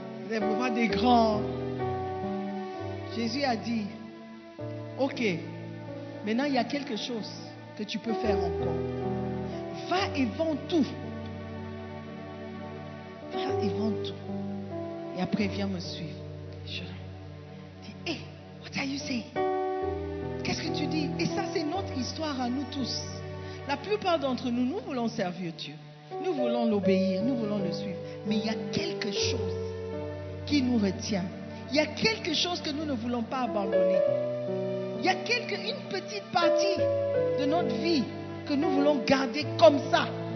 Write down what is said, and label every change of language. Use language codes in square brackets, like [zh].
[fr] C'est vraiment des grands. Jésus a dit, ok, maintenant il y a quelque chose que tu peux faire encore. Va et vends tout. Va et vends tout. Et après, viens me suivre. [en] Je dis, hey, what are you saying? [fr] Qu'est-ce que tu dis? Et ça, c'est notre histoire à nous tous. La plupart d'entre nous, nous voulons servir Dieu. Nous voulons l'obéir, nous voulons le suivre. Mais il y a quelque chose qui nous retient. Il y a quelque chose que nous ne voulons pas abandonner. Il y a une petite partie de notre vie que nous voulons garder comme ça.